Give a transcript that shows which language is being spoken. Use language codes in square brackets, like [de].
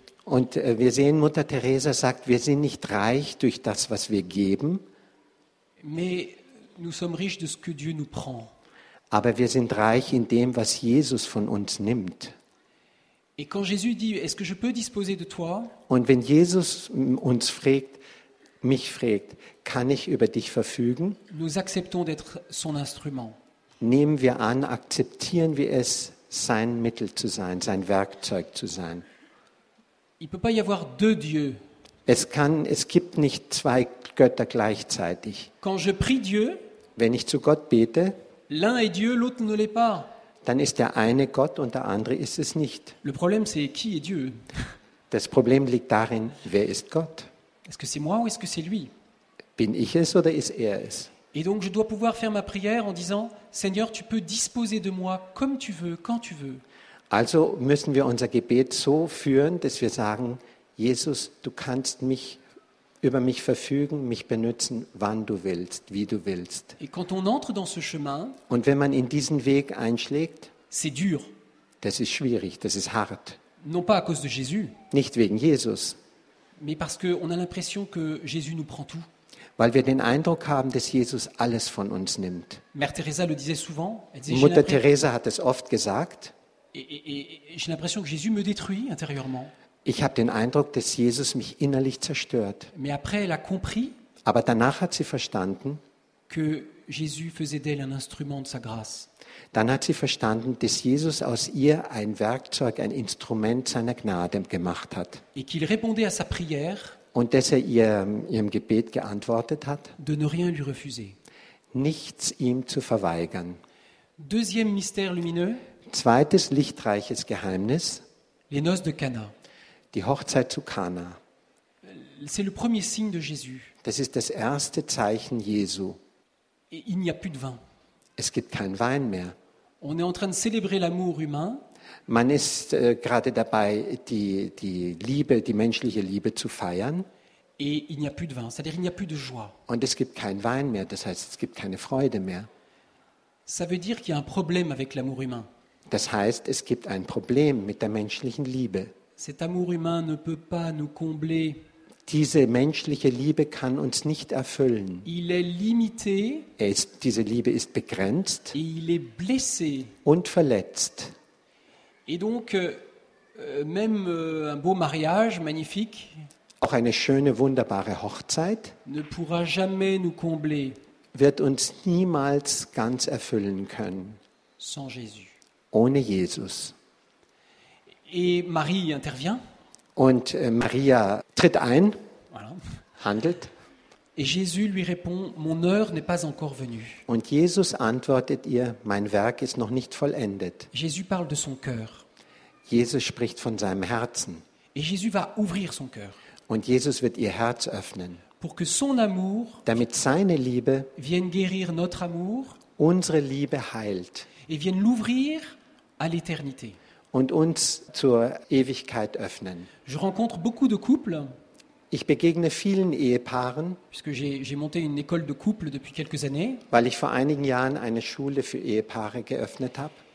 [de] Und wir sehen, Mutter Teresa sagt, wir sind nicht reich durch das, was wir geben. [fr] Mais nous sommes riches de ce que Dieu nous prend. [de] Aber wir sind reich in dem, was Jesus von uns nimmt. [fr] Et quand Jésus dit, est-ce que je peux disposer de toi? [de] Und wenn Jesus uns fragt, mich fragt, kann ich über dich verfügen? [fr] Nous acceptons d'être son instrument. [de] Nehmen wir an, akzeptieren wir es, sein Mittel zu sein, sein Werkzeug zu sein. [fr] Il peut pas y avoir deux dieux. [de] Es gibt nicht zwei Götter gleichzeitig. [fr] Quand je prie Dieu, [de] wenn ich zu Gott bete, [fr] l'un est Dieu, l'autre ne l'est pas. [de] Dann ist der eine Gott und der andere ist es nicht. [fr] Le problème, c'est qui est Dieu? [de] Das Problem liegt darin, wer ist Gott? [fr] Est-ce que c'est moi ou est-ce que c'est lui? [de] Bin ich es oder ist er es? [fr] Et donc je dois pouvoir faire ma prière en disant, Seigneur, tu peux disposer de moi comme tu veux, quand tu veux. [de] Also müssen wir unser Gebet so führen, dass wir sagen, Jesus, du kannst mich über mich verfügen, mich benutzen, wann du willst, wie du willst. [fr] Et quand on entre dans ce chemin, [de] und wenn man in diesen Weg einschlägt, [fr] c'est dur. [de] Das ist schwierig, das ist hart. [fr] Non pas à cause de Jésus, [de] nicht wegen Jesus, [fr] mais parce que on a l'impression que Jésus nous prend tout. [de] Weil wir den Eindruck haben, dass Jesus alles von uns nimmt. [fr] Mère Teresa le disait souvent, [de] elle disait, Mutter Teresa hat es oft gesagt. [fr] Et j'ai l'impression que Jésus me détruit intérieurement. [de] Ich habe den Eindruck, dass Jesus mich innerlich zerstört. [fr] Mais après, elle a compris, [de] aber danach hat sie verstanden, [fr] que Jésus faisait d'elle un instrument de sa grâce. [de] Dann hat sie verstanden, dass Jesus aus ihr ein Werkzeug, ein Instrument seiner Gnade gemacht hat. [fr] Et qu'il répondait à sa prière, [de] und dass er ihrem Gebet geantwortet hat, [fr] de ne rien lui refuser. [de] Nichts ihm zu verweigern. [fr] Deuxième mystère lumineux, [de] zweites lichtreiches Geheimnis, [fr] les noces de Cana. [de] Die Hochzeit zu Kana. [fr] C'est le premier signe de Jésus. [de] Das ist das erste Zeichen Jesu. [fr] Et il n'y a plus de vin. [de] Es gibt keinen Wein mehr. [fr] On est en train de célébrer l'amour humain. [de] Man ist gerade dabei, die Liebe, die menschliche Liebe zu feiern. [fr] Et il n'y a plus de vin, c'est-à-dire il n'y a plus de joie. [de] Und es gibt keinen Wein mehr, das heißt, es gibt keine Freude mehr. [fr] Ça veut dire qu'il y a un problème avec l'amour humain. [de] Das heißt, es gibt ein Problem mit der menschlichen Liebe. [fr] Cet amour humain ne peut pas nous combler. [de] Diese menschliche Liebe kann uns nicht erfüllen. [fr] Il est limité. [de] Diese Liebe ist begrenzt. [fr] Et il est blessé. [de] Und verletzt. [fr] Et donc même un beau mariage magnifique, [de] auch eine schöne wunderbare Hochzeit, [fr] ne pourra jamais nous combler. [de] Wird uns niemals ganz erfüllen können. [fr] Sans Jésus. [de] Ohne Jesus. [fr] Et Marie intervient. [de] Und Maria tritt ein, [fr] voilà. [de] Handelt. [fr] Et Jésus lui répond, mon heure n'est pas encore venue. [de] Und Jesus antwortet ihr, mein Werk ist noch nicht vollendet. [fr] Jésus parle de son cœur. [de] Jesus spricht von seinem Herzen. [fr] Et Jésus va ouvrir son cœur. [de] Und Jesus wird ihr Herz öffnen. [fr] Pour que son amour, [de] damit seine Liebe, [fr] vienne guérir notre amour, [de] unsere Liebe heilt. [fr] Et vienne l'ouvrir à l'éternité. [de] Und uns zur Ewigkeit öffnen. [fr] Je rencontre beaucoup de couples. [de] Ich begegne vielen Ehepaaren. [fr] Puisque j'ai monté une école de couples depuis quelques années. [de] Weil ich vor einigen Jahren eine Schule für Ehepaare geöffnet habe.